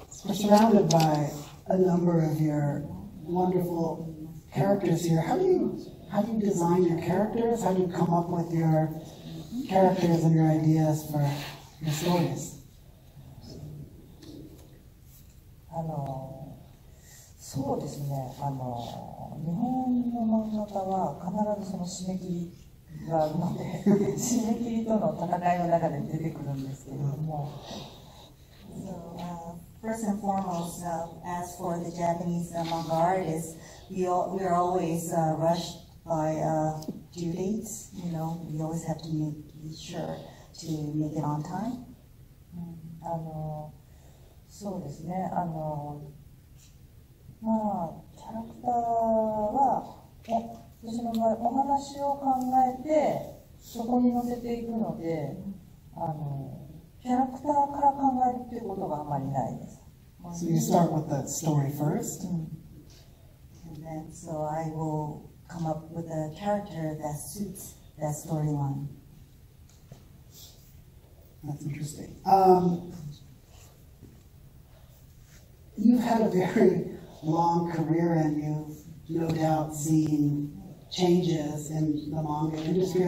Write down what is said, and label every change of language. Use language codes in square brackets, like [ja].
[en] surrounded by a number of your wonderful characters here. How do you design your characters? How do you come up with your characters and your ideas for your stories? [ja] そうですね、日本の漫画家は必ずその締め切りがあるので締め切りとの戦いの中で出てくるんですけれども [en] So, first and foremost, as for the Japanese manga artists, we are always rushed by due dates, you know, we always have to make sure to make it on time、 [ja] そうですね、まあ、キャラクターは私の場合お話を考えてそこに載せていくので、キャラクターから考えるっていうことがあまりないです。 [en] So you start with the story first? And then, so I will come up with a character that suits that storyline. That's interesting. You've had a very long career and you've no doubt seen changes in the manga industry.